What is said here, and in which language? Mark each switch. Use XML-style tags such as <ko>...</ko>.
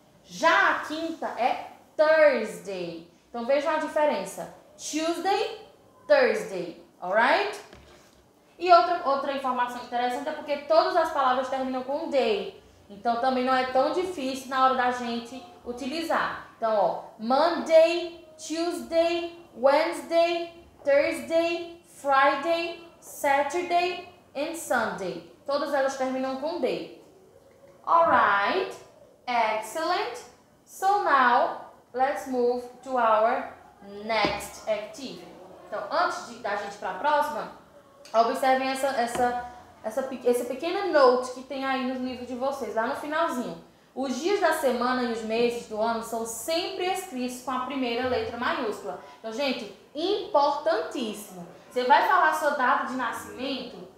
<pt>Já a quinta é Thursday. Então, vejam a diferença.</pt> <en>Tuesday, Thursday. Alright?</en> <pt>E outra informação interessante é porque todas as palavras terminam com day. Então, também não é tão difícil na hora da gente utilizar.</pt> <en>Então, ó, Monday, Tuesday, Wednesday, Thursday, Friday, Saturday and Sunday.</en> <pt>Todas elas terminam com day.</pt> <en>Alright, excellent. So now, let's move to our next activity.</en> <pt>Então, antes de dar a gente para a próxima, observem esse pequeno note que tem aí no livro de vocês, lá no finalzinho. Os dias da semana e os meses do ano são sempre escritos com a primeira letra maiúscula. Então, gente, importantíssimo. Você vai falar sua data de nascimento?</pt>